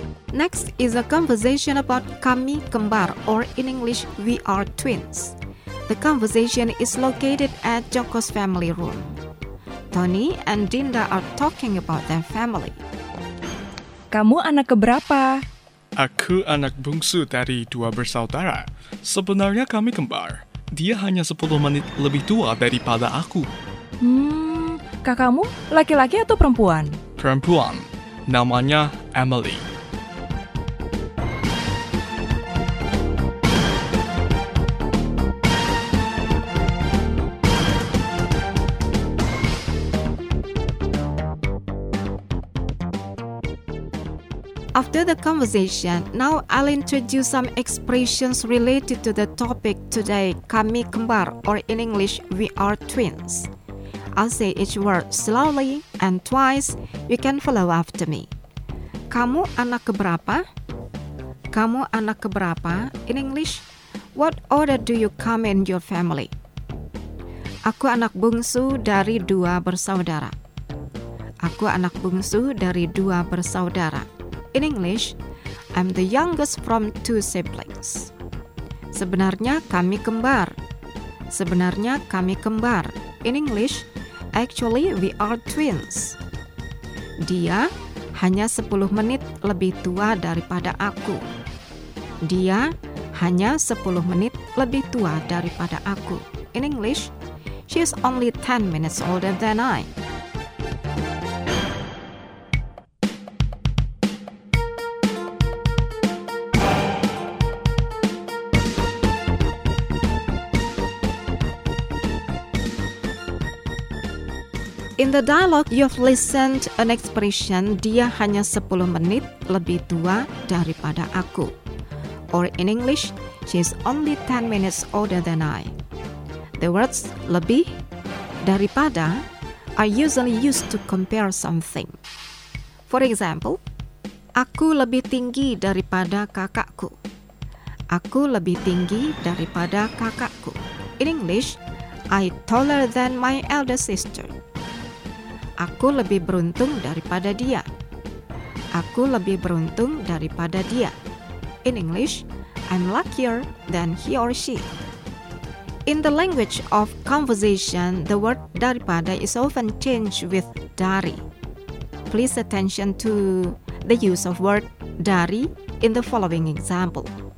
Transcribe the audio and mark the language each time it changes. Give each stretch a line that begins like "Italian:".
English: Next is a conversation about
Indonesian: Kami Kembar,
English: or in English, We Are Twins. The conversation is located at Joko's family room. Tony and Dinda are talking about their family.
Indonesian: Kamu anak keberapa? Aku anak bungsu dari dua bersaudara. Sebenarnya kami kembar. Dia hanya 10 menit lebih tua daripada aku. Kakakmu laki-laki atau perempuan? Perempuan. Namanya Emily.
English: Our After the conversation, now I'll introduce some expressions related to the topic today,
Indonesian: kami kembar,
English: or in English, we are twins. I'll say each word slowly and twice. You can follow after me.
Indonesian: Kamu anak keberapa? Kamu anak keberapa?
English: In English, what order do you come in your family?
Indonesian: Aku anak bungsu dari dua bersaudara. Aku anak bungsu dari dua bersaudara.
English: In English, I'm the youngest from two siblings.
Indonesian: Sebenarnya kami kembar. Sebenarnya kami kembar.
English: In English, actually we are twins.
Indonesian: Dia hanya 10 menit lebih tua daripada aku. Dia hanya 10 menit lebih tua daripada aku.
English: In English, she is only 10 minutes older than I. In the dialogue, you've listened an expression,
Indonesian: dia hanya 10 menit lebih tua daripada aku.
English: Or in English, she's only 10 minutes older than I. The words lebih, daripada, are usually used to compare something. For example,
Indonesian: aku lebih tinggi daripada kakakku. Aku lebih tinggi daripada kakakku.
English: In English, I taller than my elder sister.
Indonesian: Aku lebih beruntung daripada dia. Aku lebih beruntung daripada dia.
English: In English, I'm luckier than he or she. In the language of conversation, the word daripada is often changed with dari. Please attention to the use of word dari in the following example.